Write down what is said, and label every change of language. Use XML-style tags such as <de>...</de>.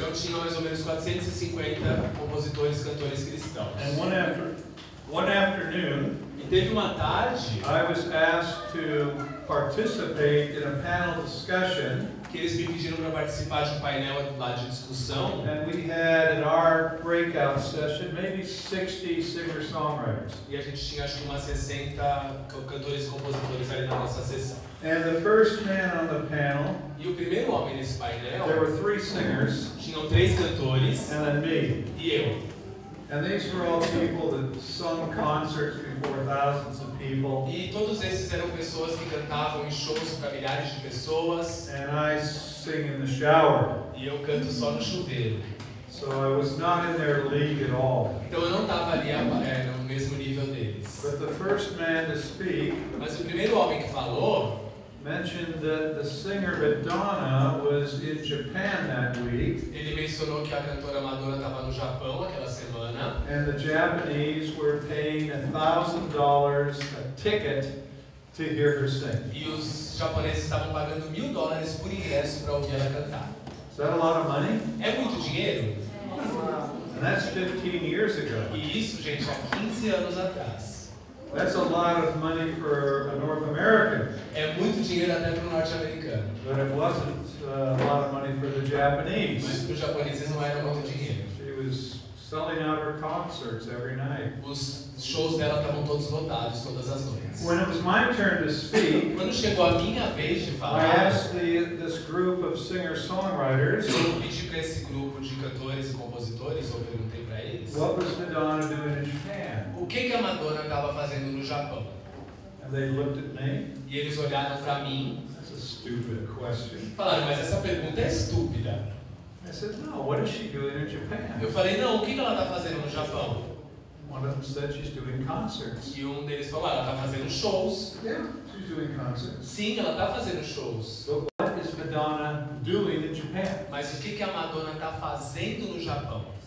<pt>Então tinha mais ou menos 450 compositores e cantores cristãos.</pt> <en>And one afternoon,</en> <pt>e teve uma tarde,</pt> <en>I was asked to participate in a panel discussion.</en> <pt>Que eles me pediram para participar de um painel lá de discussão.</pt> <en>And we had in our breakout session maybe 60 singer-songwriters.</en> <pt>E a gente tinha acho que umas 60 cantores e compositores ali na nossa sessão.</pt> <en>And the first man on the panel,</en> <pt>e o primeiro homem nesse painel,</pt> <en>there were three singers,</en> <pt>tinham três cantores,</pt> <en>and then me.</en> <pt>E eu.</pt> <en>And these were all people that sung concerts before thousands of people.</en> <pt>E todos esses eram pessoas que cantavam em shows para milhares de pessoas.</pt> <en>And I sing in the shower.</en> <pt>E eu canto só no chuveiro.</pt> <en>So I was not in their league at all.</en> <pt>Então eu não estava ali no mesmo nível deles.</pt> <en>But the first man to speak,</en> <pt>mas o primeiro homem que falou,</pt> <en>mentioned that the singer Madonna was in Japan that week.</en> <pt>Ele mencionou que a cantora Madonna estava no Japão aquela semana.</pt> <en>And the Japanese were paying $1,000 a ticket to hear her sing.</en> <pt>E os japoneses estavam pagando $1,000 por ingresso para ouvir ela cantar.</pt> <en>Is that a lot of money?</en> <pt>É muito dinheiro?</pt> <en>And that's 15 years ago.</en> <pt>E isso, gente, há 15 anos atrás.</pt> <en>That's a lot of money for a North American.</en> <pt>É muito dinheiro até para o norte-americano.</pt> <en>But it wasn't a lot of money for the Japanese.</en> <pt>Mas para os japoneses não era muito dinheiro.</pt> <en>She was selling out her concerts every night.</en> <pt>Os shows dela estavam todos lotados todas as noites.</pt> <en>When it was my turn to speak,</en> <pt>quando chegou a minha vez de falar,</pt> <en>I asked this group of singer-songwriters,</en> <pt>eu pedi para esse grupo de cantores e compositores, ou perguntei para eles,</pt> <en>what was Madonna doing in Japan?</en> <pt>O que a Madonna estava fazendo no Japão?</pt> <en>And they looked at me.</en> <pt>E eles olharam para mim.</pt> <en>That's a stupid question.</en> <pt>E falaram, mas essa pergunta é estúpida.</pt> <en>I said, no, what is she doing in Japan?</en> <pt>Eu falei, não, o que ela está fazendo no Japão?</pt> <en>One of them said she's doing concerts.</en> <pt>E um deles falou, ela está fazendo shows.</pt> <en>Yeah, she's doing concerts.</en> <pt>Sim, ela está fazendo shows.</pt> <en>But what is Madonna doing in Japan?</en> <pt>Mas o que a Madonna está fazendo no Japão?</pt>